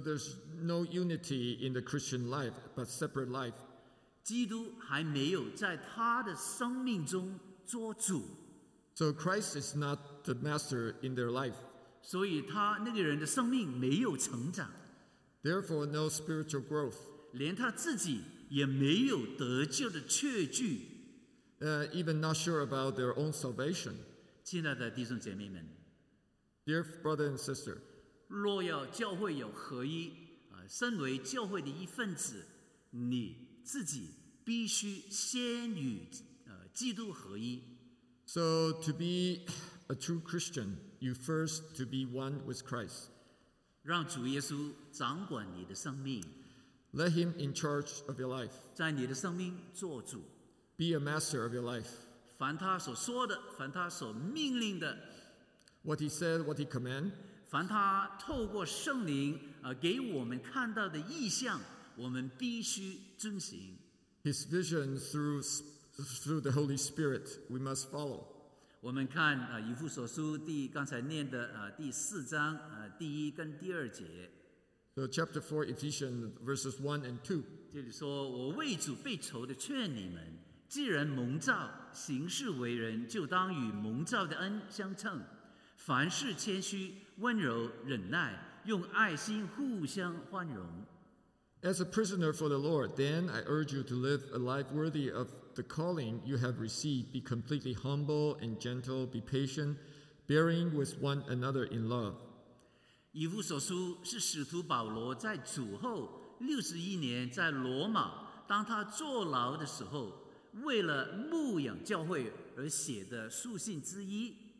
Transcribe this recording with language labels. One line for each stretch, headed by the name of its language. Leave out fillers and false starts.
English: there's no unity in the Christian life, but separate life.
Chinese: 基督还没有在他的生命中做主。
English: So Christ is not the master in their life.
Chinese: 所以他那个人的生命没有成长。
English: Therefore, no spiritual growth.
Chinese: 连他自己也没有得救的确据。
English: Even not sure about their own salvation.
Chinese: 亲爱的弟兄姐妹们,
English: Dear brother and sister,
Chinese: 若要教会有合一, 身为教会的一份子, 你自己必须先与, 基督合一。
English: So to be a true Christian, you first to be one with Christ.
Chinese: 让主耶稣掌管你的生命。
English: Let him in charge of your life.
Chinese: 在你的生命做主。
English: Be a master of your life.
Chinese: 凡他所说的，凡他所命令的，
English: What he said, what he commanded.
Chinese: 凡他透过圣灵, 给我们看到的意象, 我们必须遵行。
English: His vision through the Holy Spirit, we must follow.
Chinese: 我们看, 以弗所书第, 刚才念的, 第四章, 第一跟第二节。
English: So chapter 4, Ephesians, verses 1 and 2.
Chinese: 这里说, 我为主被仇的劝你们。既然蒙召，行事为人，就当与蒙召的恩相称。凡事谦虚、温柔、忍耐，用爱心互相宽容。
English: As a prisoner for the Lord, then I urge you to live a life worthy of the calling you have received. Be completely humble and gentle, be patient, bearing with one another in love.
Chinese: 以弗所书是使徒保罗在主后61年在罗马，当他坐牢的时候，为了牧养教会而写的书信之一。